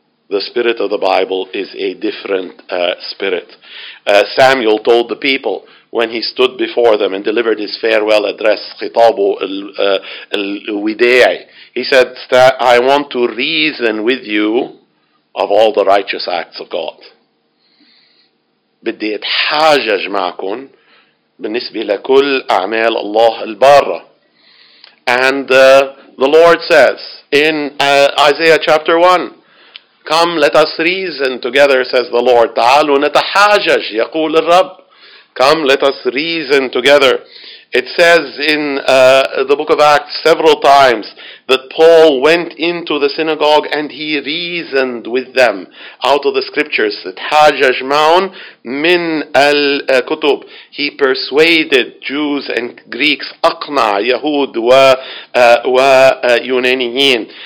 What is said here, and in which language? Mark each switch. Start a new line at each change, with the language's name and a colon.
English: The spirit of the Bible is a different spirit. Samuel told the people when he stood before them and delivered his farewell address,
Arabic: خطابه الوداعي.
English: He said, I want to reason with you of all the righteous acts of God.
Arabic: بدي اتحاجج معكم بالنسبة لكل أعمال الله البارة.
English: And the Lord says in Isaiah chapter 1, come let us reason together, says the Lord.
Arabic: تعالوا نتحاجج يقول الرب.
English: Come let us reason together. It says in the book of Acts several times that Paul went into the synagogue and he reasoned with them out of the scriptures.
Arabic: تحاجج معهم من الكتب.
English: He persuaded Jews and Greeks.
Arabic: أقنع يهود ويونانيين.